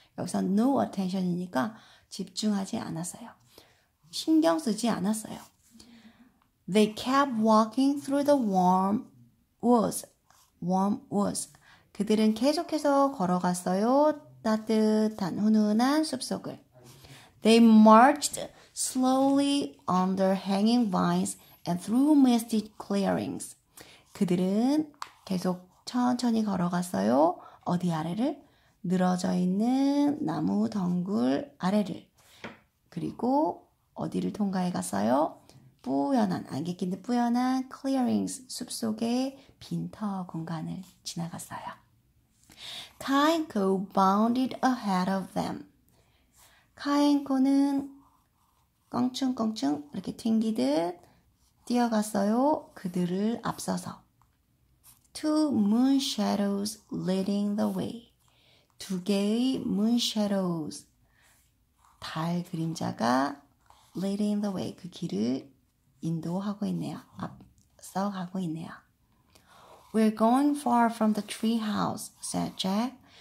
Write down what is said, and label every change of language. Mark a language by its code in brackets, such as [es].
[ko] 여기서 [en] no attention [ko] 이니까 집중하지 않았어요. 신경 쓰지 않았어요. [en] They kept walking through the warm woods. warm woods. [ko] 그들은 계속해서 걸어갔어요. 따뜻한 훈훈한 숲속을. [en] They marched slowly under hanging vines and through misty clearings. [ko] 그들은 계속 천천히 걸어갔어요. 어디 아래를? 늘어져 있는 나무 덩굴 아래를. 그리고 어디를 통과해 갔어요? 뿌연한, 안개 낀 듯 뿌연한 clearings, 숲속의 빈터 공간을 지나갔어요. [en] Kaenko bounded ahead of them. [ko] 카엔코는 껑충껑충 이렇게 튕기듯 뛰어갔어요. 그들을 앞서서. [en] Two moon shadows leading the way. [ko] 두 개의 [en] moon shadows. [ko] 달 그림자가 [en] leading the way. [ko] 그 길을 인도하고 있네요. 앞서 가고 있네요. [en] We're going far from the tree house, said Jack.